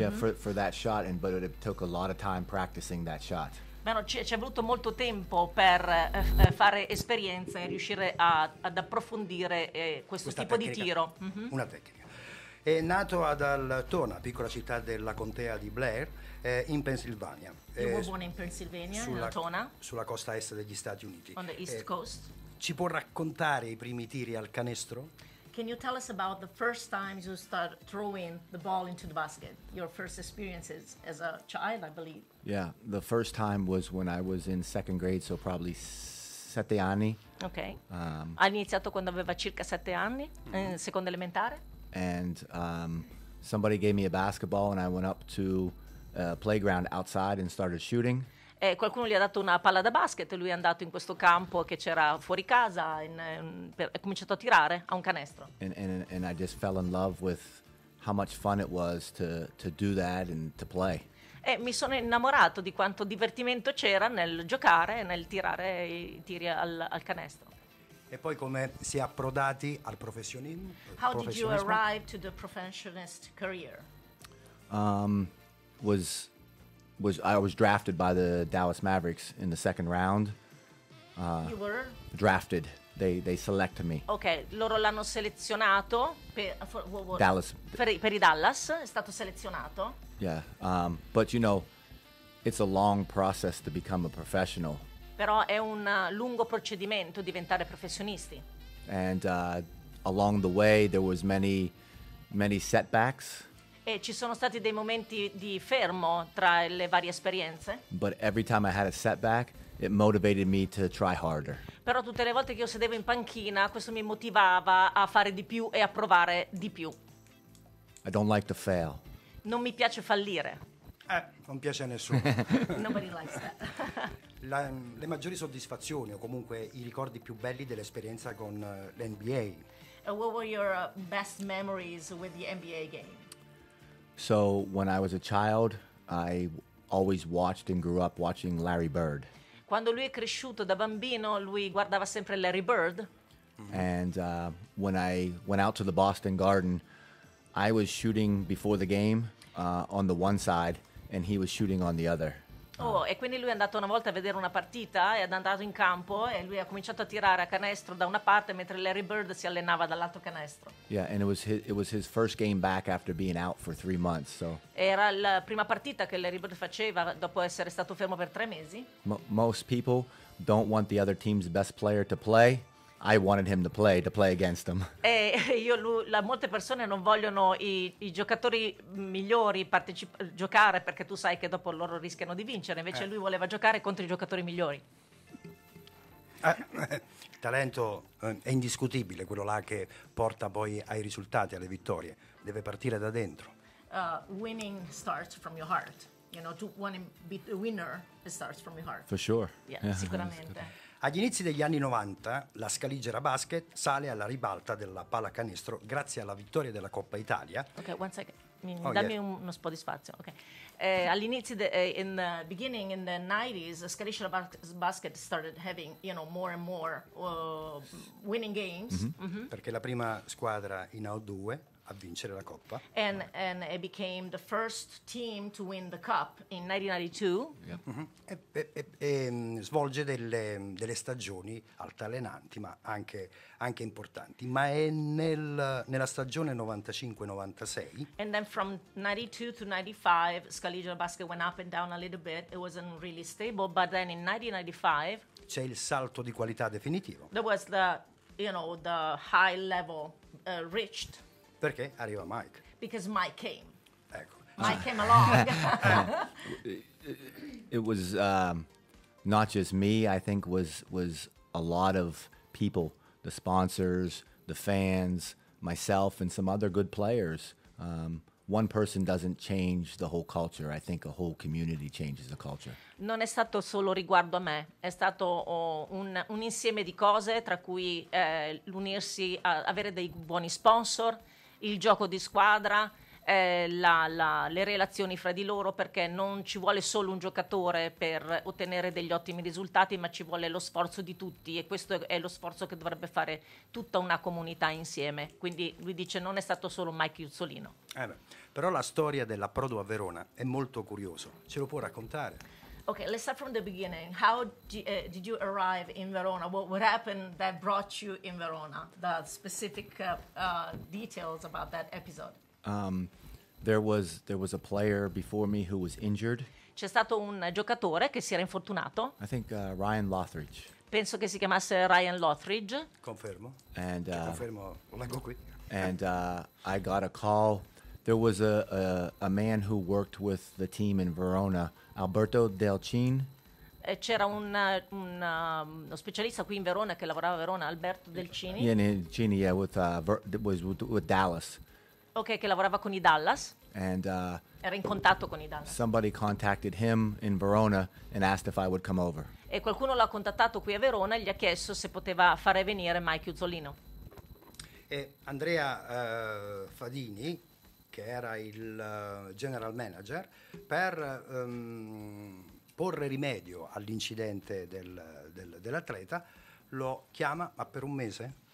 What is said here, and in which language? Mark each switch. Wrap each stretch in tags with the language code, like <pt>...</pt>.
<en>Yeah, for that shot, and but it took a lot of time practicing that shot.</en> <it>Beh, no, ci è voluto molto tempo per fare esperienza e riuscire ad approfondire questo tipo tecnica, di tiro. Mm-hmm. Una tecnica. È nato ad Altoona, piccola città della contea di Blair, in Pennsylvania.</it> <en>You were born in Pennsylvania, in Altoona?</en> <it>Sulla costa est degli Stati Uniti.</it> <en>On the east coast.</en> <it>Ci può raccontare i primi tiri al canestro?</it> <en>Can you tell us about the first time you start throwing the ball into the basket? Your first experiences as a child, I believe. Yeah, the first time was when I was in second grade, so probably</en> <it>7 anni.</it> <en>Okay.</en> <it>Ha iniziato quando aveva circa 7 anni, in seconda elementare.</it> <en>And somebody gave me a basketball and I went up to a playground outside and started shooting.</en> <it>Qualcuno gli ha dato una palla da basket e lui è andato in questo campo che c'era fuori casa e ha cominciato a tirare a un canestro.</it> <en>And I just fell in love with how much fun it was to do that and to play.</en> <it>E mi sono innamorato di quanto divertimento c'era nel giocare e nel tirare i tiri al canestro. E poi come si è approdati al professionismo?</it> <en>How did you arrive to the professionist career? I was drafted by the Dallas Mavericks in the second round. You were drafted. They selected me.</en> <it>Okay, loro l'hanno selezionato per i Dallas, è stato selezionato.</it> <en>Yeah, but you know, it's a long process to become a professional.</en> <it>Però è un lungo procedimento diventare professionisti.</it> <en>And along the way there was many setbacks.</en> <it>E ci sono stati dei momenti di fermo tra le varie esperienze.</it> <en>But every time I had a setback, it motivated me to try harder.</en> <it>Però tutte le volte che io sedevo in panchina, questo mi motivava a fare di più e a provare di più.</it> <en>I don't like to fail.</en> <it>Non mi piace fallire. Non piace a nessuno.</it> <en>Nobody likes that.</en> <it>Le maggiori soddisfazioni o comunque i ricordi più belli dell'esperienza con l'NBA.</it> <en>What were your best memories with the NBA game? So when I was a child, I always watched and grew up watching Larry Bird.</en> <it>Quando lui è cresciuto da bambino, lui guardava sempre Larry Bird.</it> <en>And when I went out to the Boston Garden, I was shooting before the game on the one side, and he was shooting on the other.</en> <it>Oh, e quindi lui è andato una volta a vedere una partita e è andato in campo e lui ha cominciato a tirare a canestro da una parte mentre Larry Bird si allenava dall'altro canestro.</it> <en>Yeah, and it was his first game back after being out for 3 months, so.</en> <it>Era la prima partita che Larry Bird faceva dopo essere stato fermo per 3 mesi.</it> <en>Most people don't want the other team's best player to play. I wanted him to play against them.</en> <it>Molte persone non vogliono i giocatori migliori giocare perché tu sai che dopo loro rischiano di vincere. Invece lui voleva giocare contro i giocatori migliori. Talento è indiscutibile, quello là che porta poi ai risultati, alle vittorie. Deve partire da dentro.</it> <en>Winning starts from your heart. You know, to want to be the winner, it starts from your heart. For sure. Yeah,</en> <it>sicuramente. Agli inizi degli anni 90, la Scaligera Basket sale alla ribalta della pallacanestro grazie alla vittoria della Coppa Italia.</it> <en>Ok, one second.</en> <it>Uno po' di spazio.</it> <en>Okay.</en> <it>All'inizio,</it> <en>beginning in the 90s, the Scaligera Basket started having, you know, more and more winning games. Mm-hmm. Mm-hmm.</en> <it>Perché la prima squadra in A2 a vincere la Coppa.</it> <en>And it became the first team to win the Cup in 1992. Yep. Mm-hmm.</en> <it>E svolge delle stagioni altalenanti, ma anche importanti. Ma è nella stagione 95-96.</it> <en>And then from 92 to 95, Scaligera Basket went up and down a little bit. It wasn't really stable, but then in 1995...</en> <it>C'è il salto di qualità definitivo.</it> <en>There was the high level reached...</en> <it>Perché arriva Mike?</it> <en>Because Mike came.</en> <it>Ecco.</it> <en>Mike came along. It was not just me, I think was a lot of people, the sponsors, the fans, myself and some other good players. One person doesn't change the whole culture. I think a whole community changes the culture.</en> <it>Non è stato solo riguardo a me, è stato un insieme di cose tra cui l'unirsi a avere dei buoni sponsor. Il gioco di squadra, le relazioni fra di loro, perché non ci vuole solo un giocatore per ottenere degli ottimi risultati, ma ci vuole lo sforzo di tutti e questo è lo sforzo che dovrebbe fare tutta una comunità insieme. Quindi lui dice non è stato solo Mike Uzzolino. Però la storia della Prodo a Verona è molto curioso, ce lo può raccontare?</it> <en>Ok, let's start from the beginning. How did you arrive in Verona? What happened that brought you in Verona? The specific details about that episode. There was a player before me who was injured.</en> <it>C'è stato un giocatore che si era infortunato.</it> <en>I think Ryan Lothridge.</en> <it>Penso che si chiamasse Ryan Lothridge. Confermo.</it> <en>And</en> <it>confermo. Leggo qui.</it> <en>And I got a call. There was a man who worked with the team in Verona. Alberto Delcin.</en> <it>C'era uno specialista qui in Verona che lavorava a Verona, Alberto Delcini.</it> <en>Yeah, with Dallas.</en> <it>Ok, che lavorava con i Dallas.</it> <en>And</en> <it>era in contatto con i Dallas.</it> <en>Somebody contacted him in Verona and asked if I would come over.</en> <it>E qualcuno l'ha contattato qui a Verona e gli ha chiesto se poteva fare venire Mike Uzzolino. E Andrea Fadini, che era il general manager, per porre rimedio all'incidente dell'atleta, lo chiama, ma per un mese?</it>